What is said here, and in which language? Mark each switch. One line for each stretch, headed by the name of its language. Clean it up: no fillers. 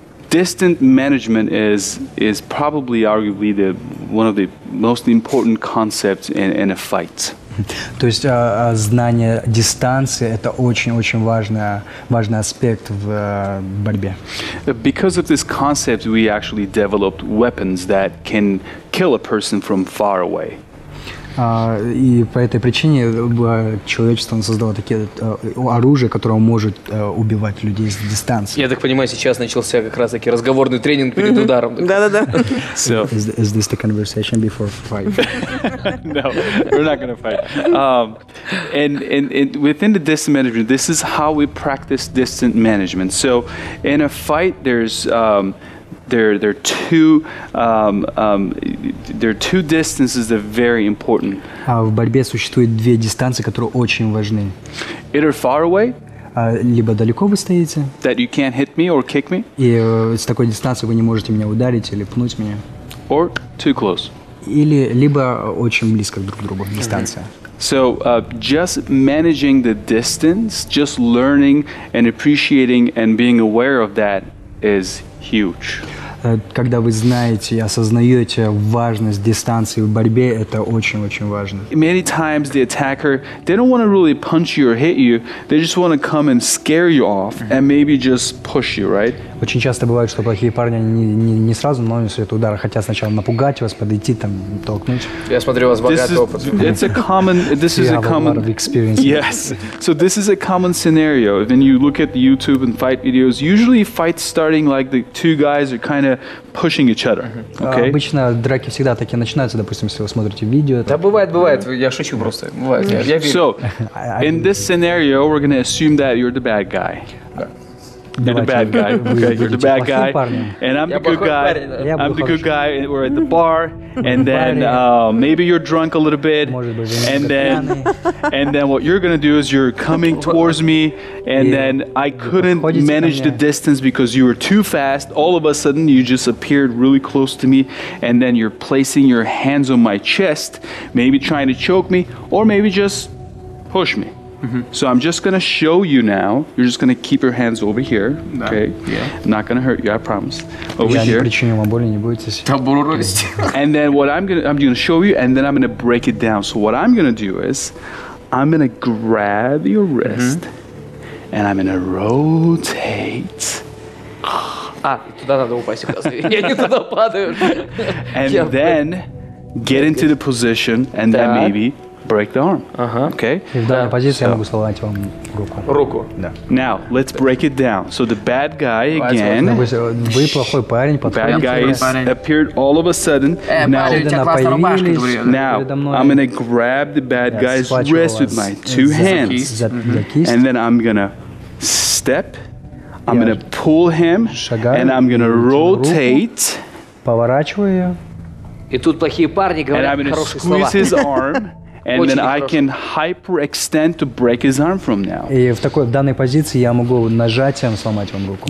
English: Distant management is probably arguably the one of the most important concepts in a fight.
Russian: То есть знание дистанции — это очень-очень важный аспект в борьбе.
English: Because of this concept, we actually developed weapons that can kill a person from far away.
Russian: И по этой причине человечество создало такие оружие, которое может убивать людей с дистанции. Я так понимаю, сейчас начался как раз таки разговорный тренинг перед ударом. Да-да-да.
English: So, is this the conversation before fight? No, we're not going to fight. And within the distant management, this is how we practice distant management. So in a fight, there are two distances that are very important.
Russian: В борьбе существует две дистанции, которые очень важны.
English: Either far away,
Russian: либо далеко вы стоите.
English: That you can't hit me or kick me.
Russian: И с такой дистанции вы не можете меня ударить или пнуть меня.
English: Or too close.
Russian: Или либо очень близко друг к другу дистанция.
English: So just managing the distance, just learning and appreciating and being aware of that is huge.
Russian: Когда вы знаете и осознаете важность дистанции в борьбе, это очень-очень важно.
English: Many times the attacker, they don't want to really punch you or hit you, they just want to come and scare you off and maybe just push you, right?
Russian: Очень часто бывает, что плохие парни не сразу наносят удар, хотя сначала напугать вас, подойти, там, толкнуть. Я смотрю, у вас богатый опыт.
English: This is a common... A lot of experience. Yes. So this is a common scenario. When you look at the YouTube and fight videos, usually fights starting like the two guys are kind of pushing each other. Okay?
Russian: Обычно драки всегда такие начинаются, допустим, если вы смотрите видео. Да, бывает. Я шучу просто. Бывает. Я верю.
English: So, in this scenario, we're going to assume that you're the bad guy. You're the bad guy. Okay, you're the bad guy. And I'm the good guy. I'm the good guy. We're at the bar. And then maybe you're drunk a little bit. And then what you're going to do is you're coming towards me. And then I couldn't manage the distance because you were too fast. All of a sudden, you just appeared really close to me. And then you're placing your hands on my chest, maybe trying to choke me, or maybe just push me. Mm-hmm. So I'm just going to show you now. You're just going to keep your hands over here. No. Okay? Yeah. Not going to hurt you, I promise. Over
Russian: я
English: here.
Russian: Не причиню вам боли, не бойтесь. Там боль рости.
English: And then what I'm going to show you, and then I'm going to break it down. So what I'm going to do is I'm going to grab your wrist and I'm going to rotate
Russian: А, туда надо упасть, я не туда падаю.
English: And then get into the position and then maybe break the arm.
Russian: Ага.
English: Okay?
Russian: В данной позиции я могу сломать вам руку. Руку. Да.
English: Now, let's break it down. So the bad guy again.
Russian: Вы плохой парень, подходите.
English: Bad guys appeared all of a sudden. Now, I'm gonna grab the bad guy's wrist with my two hands. And then I'm gonna step. I'm gonna pull him and I'm gonna rotate.
Russian: Поворачиваю ее. И тут плохие парни говорят хорошие слова.
English: And then I can hyperextend to break his arm from now.
Russian: И в такой в данной позиции я могу нажатием сломать вам руку.